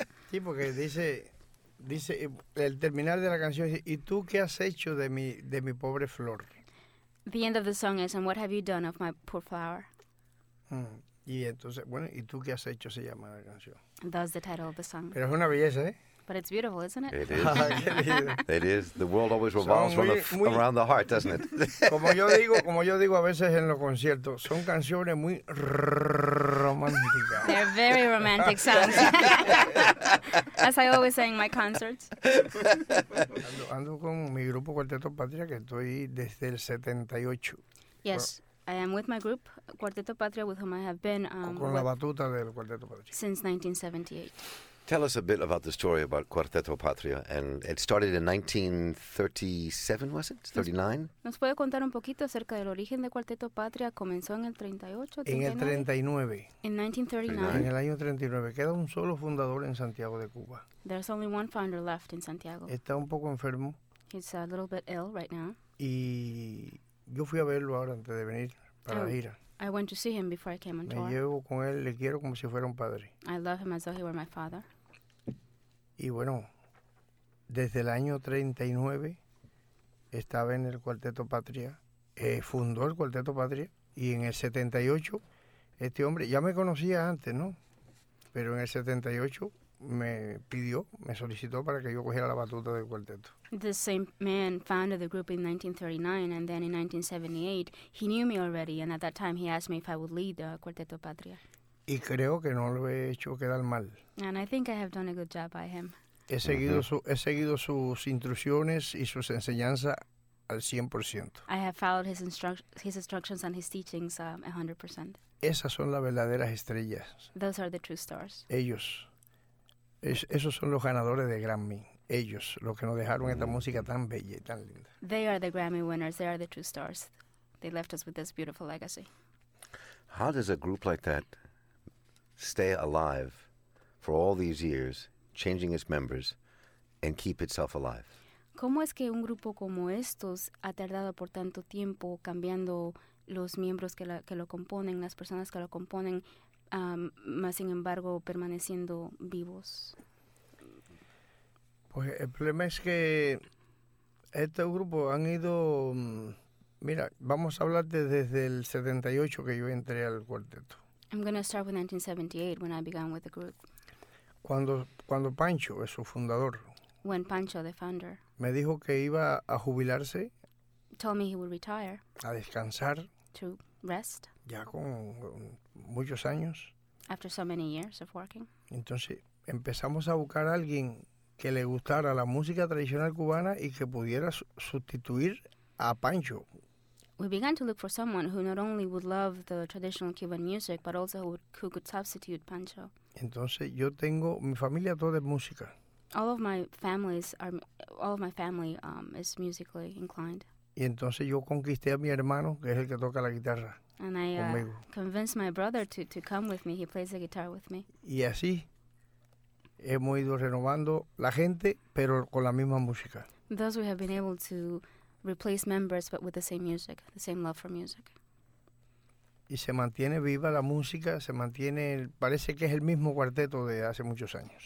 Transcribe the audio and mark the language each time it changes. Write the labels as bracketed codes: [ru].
[es] Sí, porque dice el terminar de la canción dice, ¿y tú qué has hecho de mi pobre flor? [en] The end of the song is, and what have you done of my poor flower? [es] Y entonces, bueno, ¿y tú qué has hecho? Se llama la canción. [en] That's the title of the song. [es] Pero es una belleza, ¿eh? [en] But it's beautiful, isn't it? It is. It is. The world always revolves around the heart, doesn't it? [es] como yo digo a veces en los conciertos, son canciones muy románticas. [en] They're very romantic songs. As I always say in my concerts. [es] Ando con mi grupo Cuarteto Patria, que estoy desde el 78. [en] Yes. I am with my group, Cuarteto Patria, with whom I have been [es] la batuta del Cuarteto Patria. [en] Since 1978. Tell us a bit about the story about Cuarteto Patria. And it started in 1937, was it? 39? [es] ¿Nos puede contar un poquito acerca del origen de Cuarteto Patria? ¿Comenzó en el 38? En el 39. [en] In 1939. [es] En el año 39. Queda un solo fundador en Santiago de Cuba. [en] There's only one founder left in Santiago. [es] Está un poco enfermo. [en] He's a little bit ill right now. [es] Y yo fui a verlo ahora antes de venir para la gira. [en] I went to see him before I came on [es] me [en] tour. [es] Me llevo con él, le quiero como si fuera un padre. [en] I love him as though he were my father. [es] Y bueno, desde el año 39 estaba en el Cuarteto Patria, fundó el Cuarteto Patria, y en el 78 este hombre, ya me conocía antes, ¿no? Pero en el 78 me solicitó para que yo cogiera la batuta del cuarteto. [en] The same man founded the group in 1939, and then in 1978 he knew me already, and at that time he asked me if I would lead the Cuarteto Patria. [es] Y creo que no lo he hecho quedar mal. [en] And I think I have done a good job by him. [es] He seguido sus instrucciones y sus enseñanzas al 100%. [en] I have followed his instructions and his teachings 100%. [es] Esas son las verdaderas estrellas. [en] Those are the true stars. [es] Ellos. Esos son los ganadores de Grammy. Ellos, los que nos dejaron esta música tan bella y tan linda. [en] They are the Grammy winners. They are the true stars. They left us with this beautiful legacy. How does a group like that stay alive for all these years, changing its members, and keep itself alive? [es] ¿Cómo es que un grupo como estos ha tardado por tanto tiempo cambiando los miembros que lo componen, las personas que lo componen, más sin embargo permaneciendo vivos? Pues el problema es que este grupo han ido, mira, vamos a hablar desde el 78 que yo entré al cuarteto. [en] I'm going to start with 1978 when I began with the group. [es] Cuando Pancho es su fundador. [en] When Pancho, the founder. [es] Me dijo que iba a jubilarse. [en] Told me he would retire. [es] A descansar. [en] To rest. [es] Ya con muchos años. [en] After so many years of working. [es] Entonces empezamos a buscar a alguien que le gustara la música tradicional cubana y que pudiera sustituir a Pancho. [en] We began to look for someone who not only would love the traditional Cuban music, but also who could substitute Pancho. [es] Entonces yo tengo, mi familia toda es música. [en] All of my family is musically inclined. [es] Y entonces yo conquisté a mi hermano, que es el que toca la guitarra. [en] And I convinced my brother to come with me. He plays the guitar with me. [es] Y así hemos ido renovando la gente, pero con la misma música. [en] Thus we have been able to replace members, but with the same music, the same love for music. [es] Y se mantiene viva la música, se mantiene, parece que es el mismo cuarteto de hace muchos años.